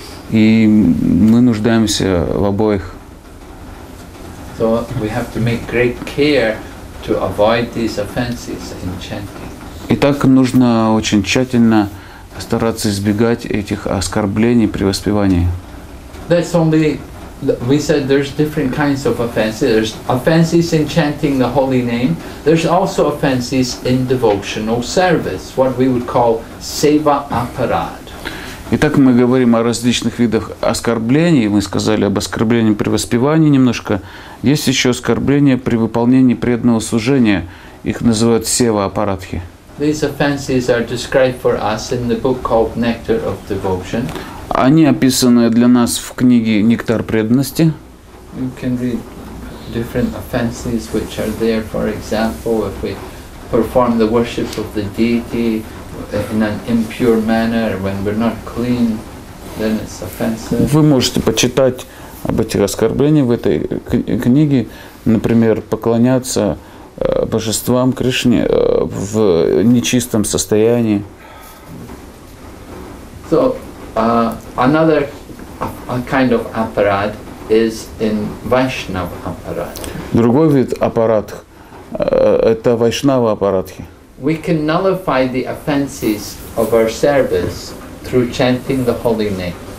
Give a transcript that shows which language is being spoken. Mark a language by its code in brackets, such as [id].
[ru] И мы нуждаемся в обоих. [en] So we have to make great care to avoid these offenses in chanting. [ru] Итак, нужно очень тщательно стараться избегать этих оскорблений при воспевании. [en] That's only, we said there's different kinds of offenses. There's offenses in chanting the holy name. There's also offenses in devotional service, what we would call seva aparad. [ru] Итак, мы говорим о различных видах оскорблений. Мы сказали об оскорблении при воспевании немножко. Есть еще оскорбления при выполнении преданного служения. Их называют сева аппаратхи. [en] These offenses are described for us in the book called Nectar of Devotion. [ru] Они описаны для нас в книге «Нектар преданности». [en] You can read different offenses which are there. For example, if we perform the worship of the deity in an impure manner, when we're not clean, then it's offensive. [ru] Вы можете почитать об этих оскорблениях в этой книге, например, поклоняться божествам Кришне в нечистом состоянии. [en] So, another kind of apparat is in Vaishnava apparat. [ru] Другой вид аппарат это Вайшнава аппаратхи. [en] We can nullify the offenses of our service through chanting the holy name.